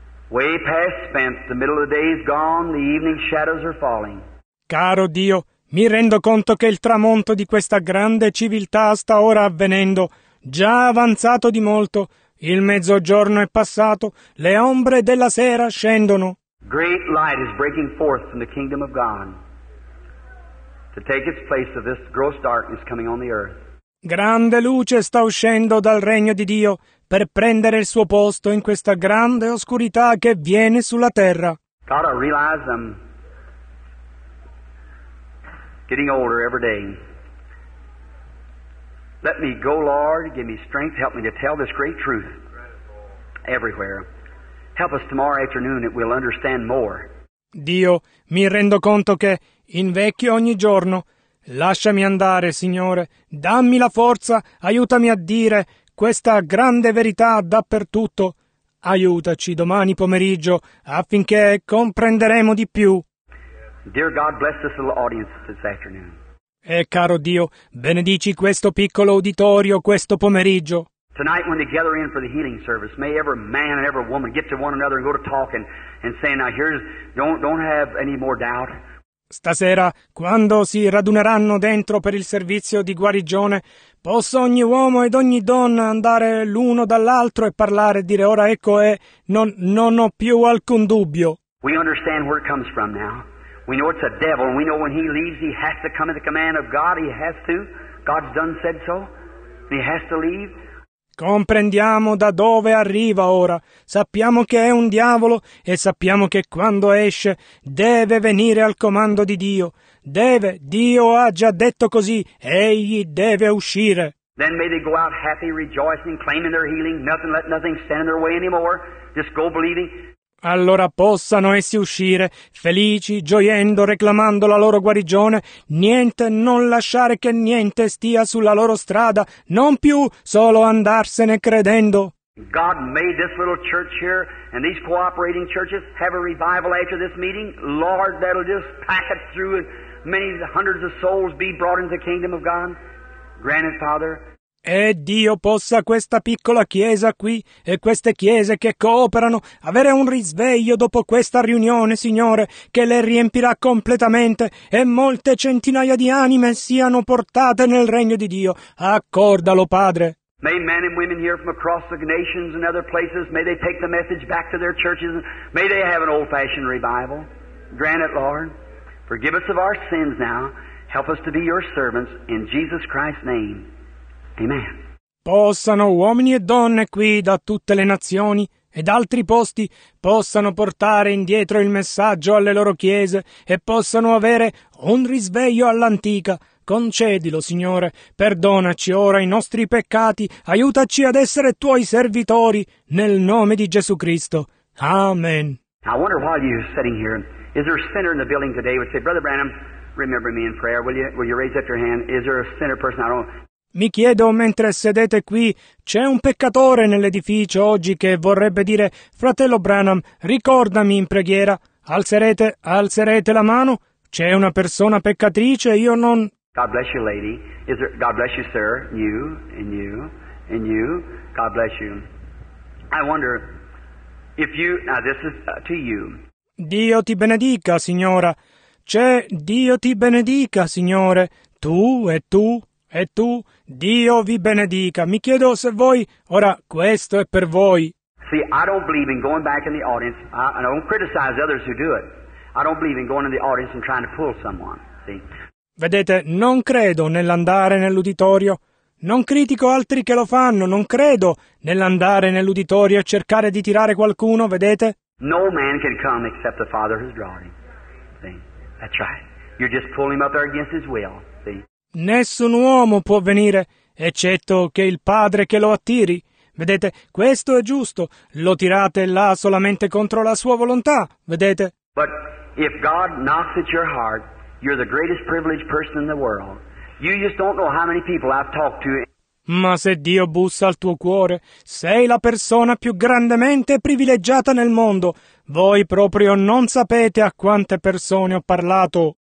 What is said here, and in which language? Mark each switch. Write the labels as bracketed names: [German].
[English] Way past spent, the middle of the day is gone, the evening shadows are falling. [Italian] Caro Dio, mi rendo conto che il tramonto di questa grande civiltà sta ora avvenendo, già avanzato di molto. Il mezzogiorno è passato, le ombre della sera scendono. [English] Great light is breaking forth from the kingdom of God to take its place of this gross darkness coming on the earth. [Italian] Grande luce sta uscendo dal regno di Dio per prendere il suo posto in questa grande oscurità che viene sulla terra. [English] God, I realize I'm getting older every day. Let me go, Lord. Give me strength. Help me to tell this great truth everywhere. Help us tomorrow afternoon that we'll understand more. [Italian] Dio, mi rendo conto che invecchio ogni giorno. Lasciami andare, Signore. Dammi la forza. Aiutami a dire questa grande verità dappertutto. Aiutaci domani pomeriggio affinché comprenderemo di più. [English] Dear God, bless this little audience this afternoon. [Italian] E caro Dio, benedici questo piccolo uditorio questo pomeriggio. [English] Tonight when they gather in for the healing service, may every man and every woman get to one another and go to talk and say, now here's, don't have any more doubt. [Italian] Stasera, quando si raduneranno dentro per il servizio di guarigione, posso ogni uomo ed ogni donna andare l'uno dall'altro e parlare e dire, ora ecco è, non ho più alcun dubbio. [English] We understand where it comes from now. We know it's a devil, and we know when he leaves, he has to come at the command of God, he has to. God's done said so, he has to leave. [Italian] Comprendiamo da dove arriva ora. Sappiamo che è un diavolo e sappiamo che quando esce deve venire al comando di Dio. Deve, Dio ha già detto così, egli deve uscire. [English] Then may they go out happy, rejoicing, claiming their healing, nothing, let nothing stand in their way anymore. Just go believing. [Italian] Allora possano essi uscire, felici, gioiendo, reclamando la loro guarigione. Niente, non lasciare che niente stia sulla loro strada, non più solo andarsene credendo. [English] God made this little church here, and these cooperating churches have a revival after this meeting. Lord, that'll just pack it through, and many hundreds of souls be brought into the kingdom of God. Grant it, Father. [Italian] E Dio possa questa piccola chiesa qui e queste chiese che cooperano avere un risveglio dopo questa riunione, Signore, che le riempirà completamente e molte centinaia di anime siano portate nel regno di Dio. Accordalo, Padre. [English] May men and women here from across the nations and other places, may they take the message back to their churches. May they have an old-fashioned revival. Grant it, Lord. Forgive us of our sins now. Help us to be your servants in Jesus Christ's name. Amen. [Italian] Possano uomini e donne qui da tutte le nazioni ed altri posti possano portare indietro il messaggio alle loro chiese e possano avere un risveglio all'antica. Concedilo, Signore, perdonaci ora i nostri peccati, aiutaci ad essere tuoi servitori nel nome di Gesù Cristo. Amen. [English] I wonder while you're sitting here, is there a sinner in the building today who would say, Brother Branham, remember me in prayer, will you raise up your hand? Is there a sinner person? [Italian] Mi chiedo, mentre sedete qui, c'è un peccatore nell'edificio oggi che vorrebbe dire, fratello Branham, ricordami in preghiera. Alzerete la mano? C'è una persona peccatrice, io non... [English] God bless you, lady. Is there... God bless you, sir. You, and you, and you. God bless you. I wonder if you... Now, this is to you. [Italian] Dio ti benedica, signora. C'è... Dio ti benedica, signore. Tu e tu e tu. Dio vi benedica. Mi chiedo se voi... Ora, questo è per voi. [English] See, I don't believe in going back in the audience. I don't criticize others who do it. I don't believe in going in the audience and trying to pull someone. See? [Italian] Vedete, non credo nell'andare nell'uditorio. Non critico altri che lo fanno. Non credo nell'andare nell'uditorio e cercare di tirare qualcuno, vedete? [English] No man can come except the Father who's drawn him. See? That's right. You're just pulling him up there against his will. See? [Italian] Nessun uomo può venire, eccetto che il Padre che lo attiri. Vedete, questo è giusto. Lo tirate là solamente contro la sua volontà, vedete? [English] But if God knocks at your heart, you're the greatest privileged person in the world. You just don't know how many people I've talked to. [Italian] Ma se Dio bussa al tuo cuore, sei la persona più grandemente privilegiata nel mondo. Voi proprio non sapete a quante persone ho parlato.